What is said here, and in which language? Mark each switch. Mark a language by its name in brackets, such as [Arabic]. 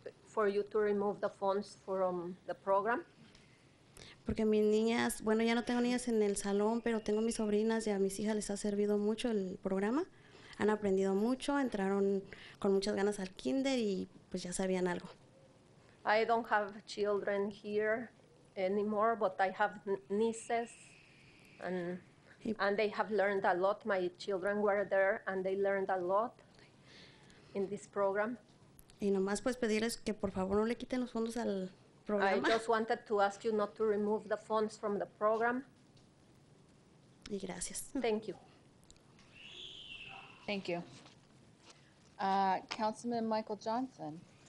[English] for you to remove the funds from the program. [Spanish] Porque mis niñas, bueno, ya no tengo niñas en el salón, pero tengo mis sobrinas y a mis hijas les ha servido mucho el programa. Han aprendido mucho, entraron con muchas ganas al kinder y pues ya sabían algo. [English] I don't have children here anymore, but I have nieces and they have learned a lot. My children were there and they learned a lot in this program. [Spanish] Y nomás pues pedirles que por favor no le quiten los fondos al programa. [English] I just wanted to ask you not to remove the funds from the program. [Spanish] Y gracias. [English] Thank you. Thank you. Councilman Michael Johnson.